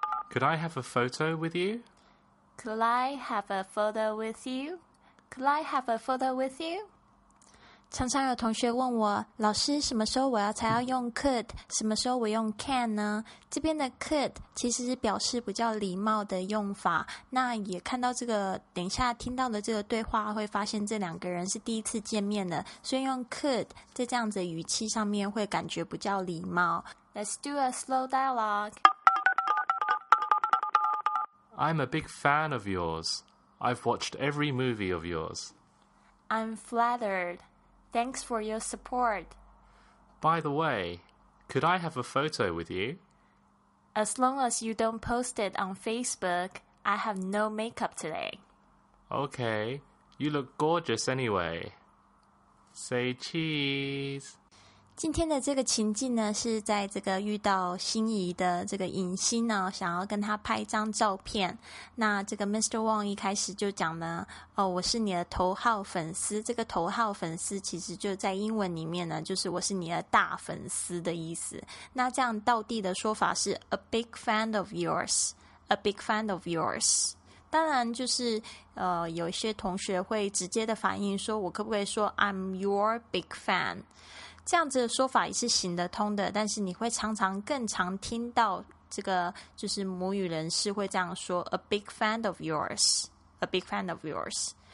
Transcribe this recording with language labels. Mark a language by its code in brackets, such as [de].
[en] Could I have a photo with you? Could I have a photo with you? Could I have a photo with you? [zh] 常常有同学问我，老师什么时候我要才要用 could， 什么时候我用 can 呢？这边的 could 其实是表示比较礼貌的用法。那也看到这个，等一下听到的这个对话，会发现这两个人是第一次见面的，所以用 could 在这样子的语气上面会感觉比较礼貌。 [en] Let's do a slow dialogue. I'm a big fan of yours. I've watched every movie of yours. I'm flattered. Thanks for your support. By the way, could I have a photo with you? As long as you don't post it on Facebook, I have no makeup today. Okay, you look gorgeous anyway. Say cheese. [zh] 今天的这个情境呢，是在这个遇到心仪的这个影星呢，想要跟他拍一张照片。那这个 Mr. Wong 一开始就讲呢，哦，我是你的头号粉丝。这个头号粉丝其实就在英文里面呢，就是我是你的大粉丝的意思。那这样道地的说法是 [en] a big fan of yours， [zh] a big fan of yours。当然就是有一些同学会直接的反应说，我可不可以说 [en] I'm your big fan？ [zh] 这样子的说法也是行得通的，但是你会常常更常听到这个就是母语人士会这样说 [en] A big fan of yours, a big fan of yours.